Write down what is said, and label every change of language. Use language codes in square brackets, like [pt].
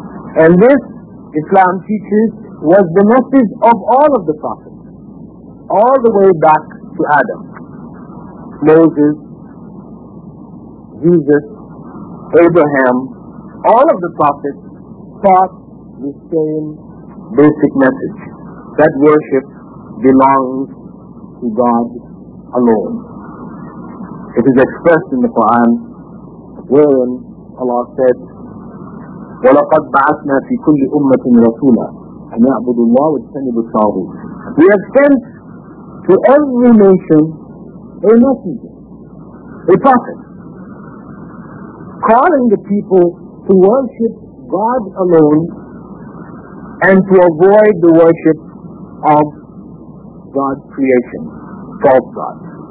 [en] And this, Islam teaches, was the message of all of the prophets, all the way back to Adam, Moses, Jesus, Abraham, all of the prophets taught the same basic message, that worship belongs to God alone. It is expressed in the Quran, wherein Allah said, [ar] وَلَقَدْ بَعَثْنَا فِي كُلِّ أُمَّةٍ رَسُولًا أَنْ يَعْبُدُ اللَّهُ وَاجْتَنِبُوا الطَّاغُوتَ. [en] We have sent to every nation a messenger, a prophet, calling the people to worship God alone and to avoid the worship of God's creation, false gods.